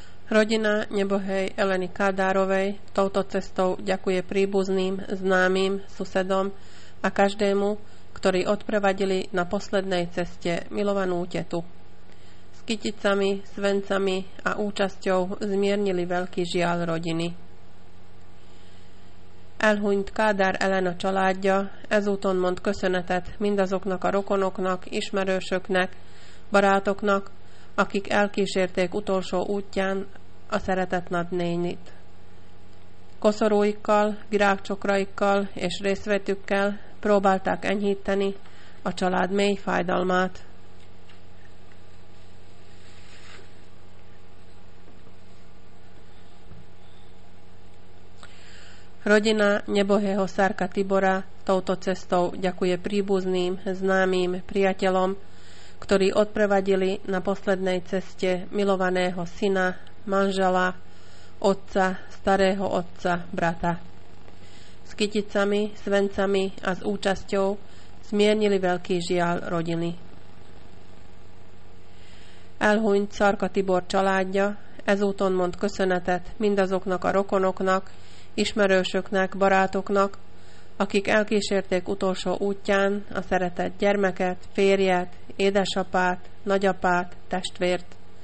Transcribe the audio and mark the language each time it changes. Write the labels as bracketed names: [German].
[Slovak] Rodina nebohej Eleny Kádárovej touto cestou ďakuje príbuzným, známym, susedom a každému, ktorí odprevadili na poslednej ceste milovanú tetu. S kyticami, svencami a účasťou zmiernili veľký žial rodiny. [Hungarian] Elhunyt Kádár Elena családja ezúton mond köszönetet mindazoknak a rokonoknak, ismerősöknek, barátoknak, akik elkísérték utolsó útján a szeretett nadnénit. Koszorúikkal, virágcsokraikkal és részvetükkel próbálták enyhíteni a család mély fájdalmát. [Slovak] Rodina nebohého Szárka Tibora touto cestou ďakuje príbuzným, známym, priateľom, ktorí odprevadili na poslednej ceste milovaného syna, manžela, otca, starého otca, brata. S kyticami, svencami a s účasťou zmiernili veľký žial rodiny. [Hungarian] Elhunyt Szárka Tibor családja ezúton mond köszönetet mindazoknak a rokonoknak, ismerősöknek, barátoknak, akik elkísérték utolsó útján a szeretett gyermeket, férjet, édesapát, nagyapát, testvért.